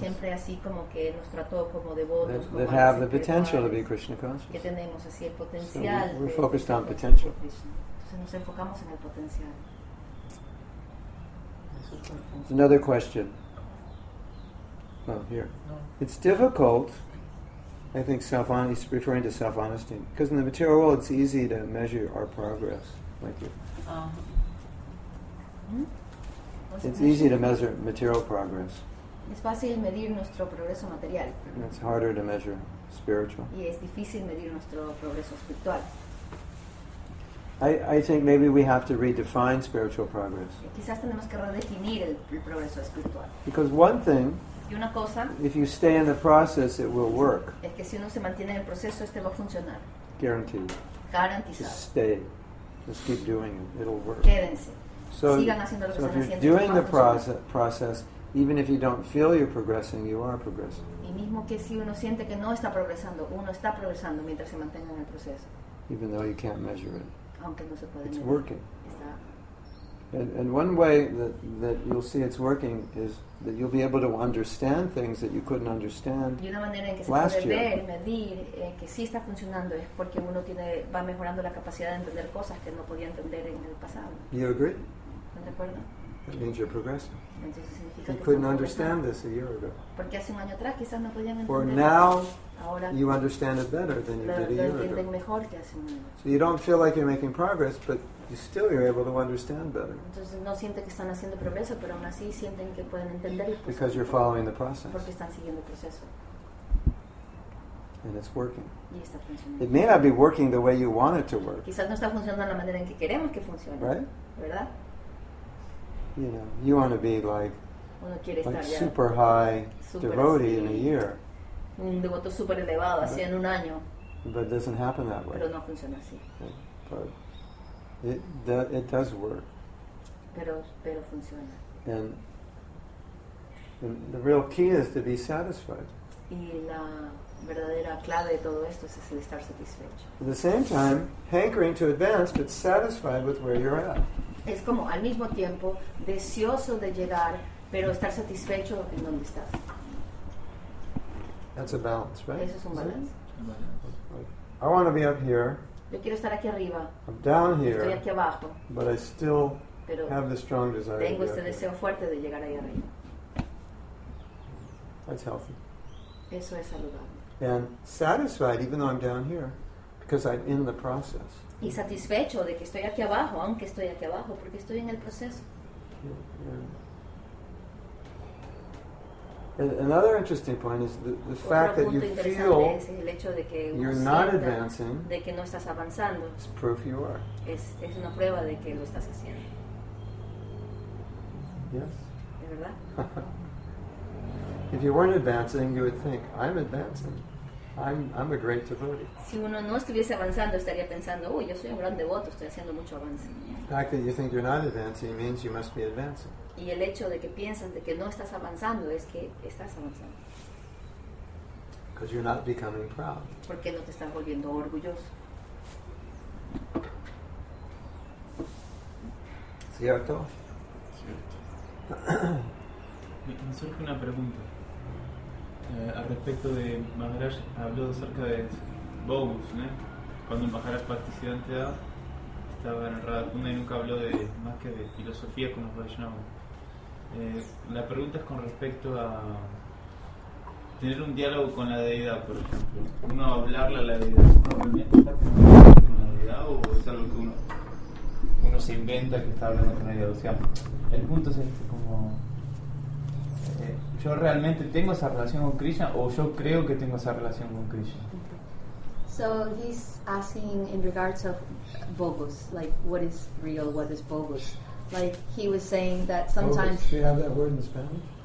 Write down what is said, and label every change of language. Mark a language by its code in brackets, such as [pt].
[es] siempre así como que nos trató como devotos, [en] that, [es] como [en] that have the potential to be Krishna conscious. [es] Que tenemos así el potencial. [en] So we're focused on [es] de [en] potential. [es] Entonces nos enfocamos en el potencial. [en] There's another question. Oh, here. No. It's difficult. I think he's referring to self-honesty. Because in the material world, it's easy to measure our progress. Thank you. It's easy to measure material progress. [es] Es fácil medir nuestro progreso material. [en] And it's harder to measure spiritual. [es] Y es difícil medir nuestro progreso espiritual. [en] I think maybe we have to redefine spiritual progress. [es] Quizás tenemos que redefinir el progreso espiritual. [en] Because one thing, if you stay in the process, it will work. [es] Es que si uno se mantiene en el proceso, este va a funcionar. [en] Guaranteed. [es] Garantizado. [en] Just stay. Just keep doing it. It'll work. [es] Quédense. [en] So, [es] sigan haciendo lo que están haciendo. [en] So if you're doing the process, even if you don't feel you're progressing, you are progressing. [es] Y mismo que si uno siente que no está progresando, uno está progresando mientras se mantenga en el proceso. [en] Even though you can't measure it. [es] Aunque no se puede medir. [en] It's working. [es] Está [en] And one way that you'll see it's working is that you'll be able to understand things that you couldn't understand last year. [es] Y una manera en que se puede ver, medir, que sí está funcionando es porque uno tiene, va mejorando la capacidad de entender cosas que no podía entender en el pasado. [en] You agree? [es] ¿De acuerdo? [en] That means you're progressing. [es] Entonces significa que [en] you couldn't understand this a year ago. [es] Porque hace un año atrás quizás no podían entender. [en] Or now, [es] ahora, [en] you understand it better than you did a year ago. [es] Mejor que hace un año. [en] So you don't feel like you're making progress, but you still are able to understand better. [es] Entonces no sienten que están haciendo progreso, pero aún así sienten que pueden entender. [en] Because you're following the process. [es] Porque están siguiendo el proceso. [en] And it's working. [es] Y está funcionando. [en] It may not be working the way you want it to work. [es] Quizás no está funcionando de la manera en que queremos que funcione. [en] Right? [es] ¿Verdad? [en] You know, you want to be like, [es] uno quiere [en] like [es] estar [en] super high devotee in a year. [es] Un devoto super elevado, así en un año. [en] But it doesn't happen that way. [es] Pero no funciona así. [en] Okay. But it does work. [es] Pero funciona. [en] And the real key is to be satisfied. [es] Y la verdadera clave de todo esto es el estar satisfecho. [en] At the same time, hankering to advance, but satisfied with where you're at. [es] Es como al mismo tiempo deseoso de llegar, pero estar satisfecho en donde estás. [en] That's a balance, right? [es] Eso es un balance. [en] Is it? I want to be up here. [es] Yo quiero estar aquí arriba. [en] I'm down here. [es] Estoy aquí abajo. [en] But I still [es] pero [en] have the strong desire. [es] Tengo este deseo fuerte de llegar ahí arriba. [en] That's healthy. [es] Eso es saludable. [en] And satisfied, even though I'm down here, because I'm in the process. [es] Y satisfecho de que estoy aquí abajo, aunque estoy aquí abajo, porque estoy en el proceso. [en] Yeah. Another interesting point is the fact that you feel you're not advancing [es] de que no estás avanzando. [en] It's proof you are. [es] Es una prueba de que lo estás haciendo. [en] Yes. [es] ¿Es verdad? [en] If you weren't advancing, you would think, I'm advancing. I'm a great devotee. [es] Si uno no estuviese avanzando, estaría pensando, yo soy un gran devoto, estoy haciendo mucho avance. The fact that you think you're not advancing means you must be advancing. Y el hecho de que piensas de que no estás avanzando es que estás avanzando. Because you're not becoming proud. Porque no te estás volviendo orgulloso. ¿Cierto? Cierto. Me surge una pregunta. Al respecto de Maharaj, habló acerca de Bogus, ¿no? Cuando Maharaj participó en TEDA, estaba en Radha Kunda y nunca habló de más que de filosofía como Vaishnava. La pregunta es con respecto a tener un diálogo con la deidad, por ejemplo. Uno hablarle a la deidad, ¿no? ¿Realmente está con la deidad o es algo que uno se inventa que está hablando con la deidad? O sea, el punto es este, como ¿yo realmente tengo esa relación con Krishna o yo creo que tengo esa relación con Krishna? [en] So he's asking in regards of bogus, like what is real, what is bogus. Like he was saying that sometimes. Bogus. Do you have that word in Spanish?